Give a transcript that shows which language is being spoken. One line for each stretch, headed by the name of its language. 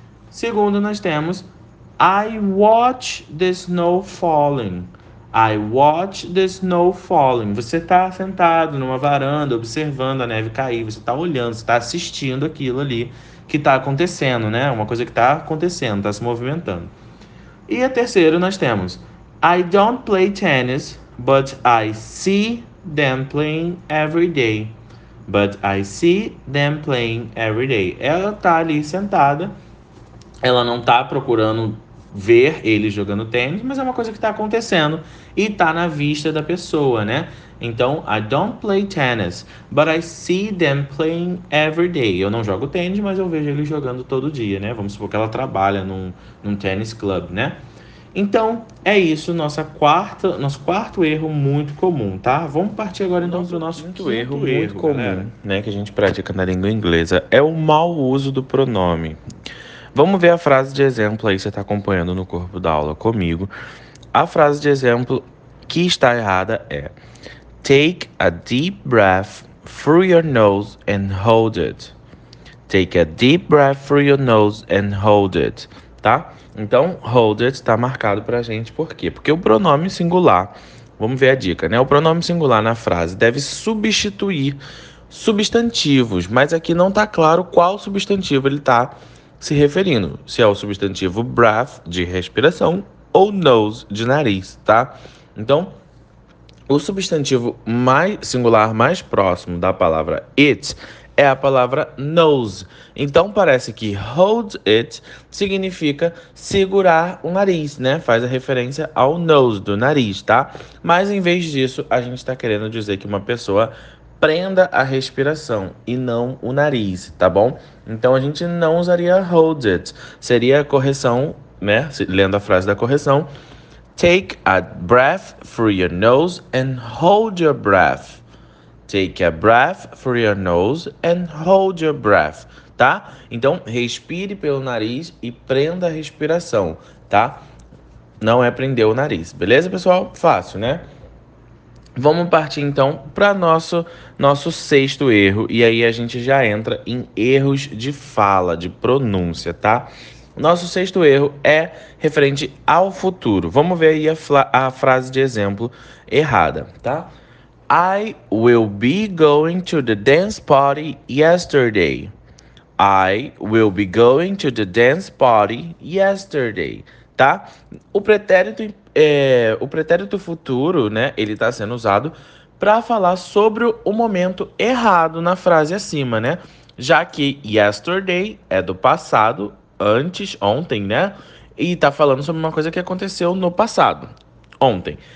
Portuguese: Segundo, nós temos
English: I watch the snow falling. I watch the snow falling.
Portuguese: Você está sentado numa varanda observando a neve cair, você está olhando, você está assistindo aquilo ali que está acontecendo, né? Uma coisa que está acontecendo, está se movimentando. E a terceiro, nós temos
English: I don't play tennis, but I see them playing every day. But I see them playing every day.
Portuguese: Ela tá ali sentada. Ela não tá procurando ver ele jogando tênis, mas é uma coisa que tá acontecendo e tá na vista da pessoa, né?
English: Então, I don't play tennis, but I see them playing every day.
Portuguese: Eu não jogo tênis, mas eu vejo ele jogando todo dia, né? Vamos supor que ela trabalha num tênis club, né? Então, é isso, nosso quarto erro muito comum, tá? Vamos partir agora então para o Nosso nosso quinto quinto erro, erro comum, galera, né, que a gente pratica na língua inglesa, é o mau uso do pronome. Vamos ver a frase de exemplo aí, você está acompanhando no corpo da aula comigo. A frase de exemplo que está errada é:
English: Take a deep breath through your nose and hold it. Take a deep breath through your nose and hold it, tá?
Portuguese: Então, hold it está marcado para a gente, por quê? Porque o pronome singular, vamos ver a dica, né? O pronome singular na frase deve substituir substantivos, mas aqui não está claro qual substantivo ele está se referindo. Se é o substantivo breath, de respiração, ou nose, de nariz, tá? Então, o substantivo mais singular mais próximo da palavra it é a palavra nose. Então parece que hold it significa segurar o nariz, né? Faz a referência ao nose do nariz, tá? Mas em vez disso, a gente está querendo dizer que uma pessoa prenda a respiração e não o nariz, tá bom? Então a gente não usaria hold it. Seria a correção, né? Lendo a frase da correção:
English: Take a breath through your nose and hold your breath. Take a breath through your nose and hold your breath, tá?
Portuguese: Então, respire pelo nariz e prenda a respiração, tá? Não é prender o nariz, beleza, pessoal? Fácil, né? Vamos partir então para nosso sexto erro, e aí a gente já entra em erros de fala, de pronúncia, tá? Nosso sexto erro é referente ao futuro. Vamos ver aí a frase de exemplo errada, tá?
English: I will be going to the dance party yesterday. I will be going to the dance party yesterday.
Portuguese: Tá? O pretérito futuro, né? Ele está sendo usado para falar sobre o momento errado na frase acima, né? Já que yesterday é do passado, antes, ontem, né? E está falando sobre uma coisa que aconteceu no passado, ontem.